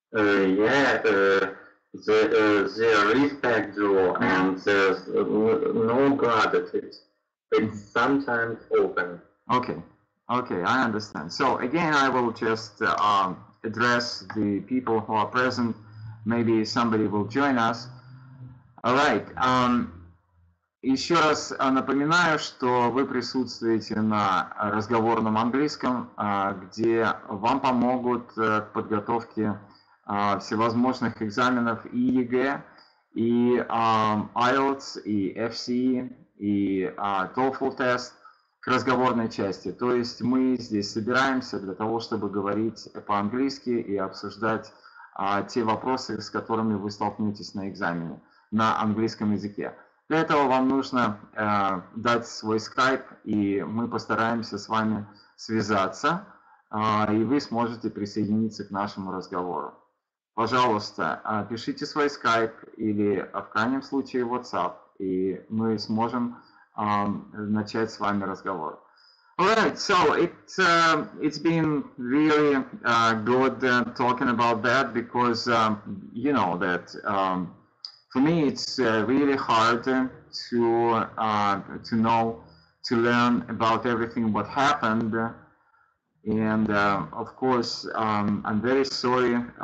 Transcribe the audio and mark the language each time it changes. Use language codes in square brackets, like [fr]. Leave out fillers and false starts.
[en] There is back door, and there's no guard at it. It's sometimes open. Okay, I understand. So again, I will just address the people who are present. Maybe somebody will join us. All right. [ru] Еще раз напоминаю, что вы присутствуете на разговорном английском, где вам помогут к подготовке всевозможных экзаменов и ЕГЭ, и IELTS, и FCE. И TOEFL тест к разговорной части. То есть мы здесь собираемся для того, чтобы говорить по-английски и обсуждать те вопросы, с которыми вы столкнетесь на экзамене на английском языке. Для этого вам нужно дать свой скайп, и мы постараемся с вами связаться, и вы сможете присоединиться к нашему разговору. Пожалуйста, пишите свой скайп или в крайнем случае WhatsApp, и мы сможем начать с вами разговор. [en] All right, so it's been really good talking about that, because you know that for me it's really hard to know, to learn about everything what happened, and of course I'm very sorry.